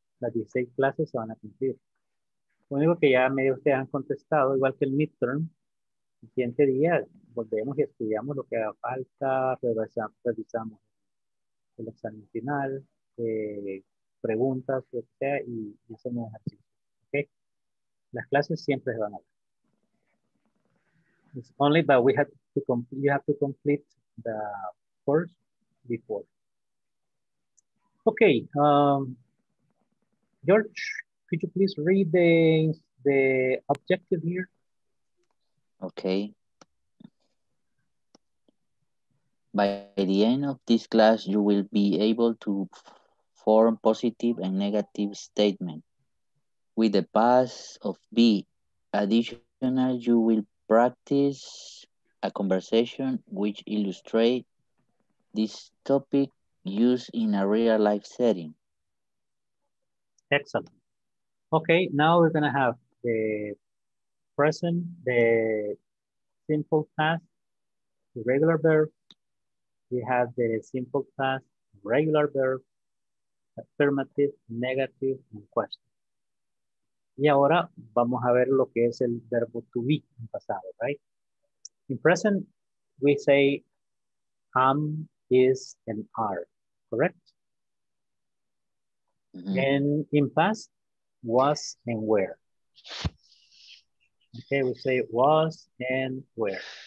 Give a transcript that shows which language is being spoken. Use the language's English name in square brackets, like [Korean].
[Spanish] Las 16 clases se van a cumplir. Lo único que ya medio ustedes han contestado, igual que el midterm, el siguiente día volvemos y estudiamos lo que haga falta, revisamos el examen final, preguntas, lo que sea, y hacemos ejercicio. ¿Okay? Las clases siempre se van a dar. [English] It's only that you have to complete the course before. Okay, George, could you please read the objective here? Okay. By the end of this class, you will be able to form positive and negative statements. With the pass of B, additional, you will practice a conversation which illustrates this topic used in a real life setting. Excellent. Okay, now we're gonna have the present, the simple past, the regular verb. We have the simple past, regular verb, affirmative, negative, and question. [Spanish] Y ahora vamos a ver lo que es el verbo to be en pasado, right? [English] In present, we say am, is, and are, correct? Mm-hmm. And in past, was and were. Okay, we say was and were.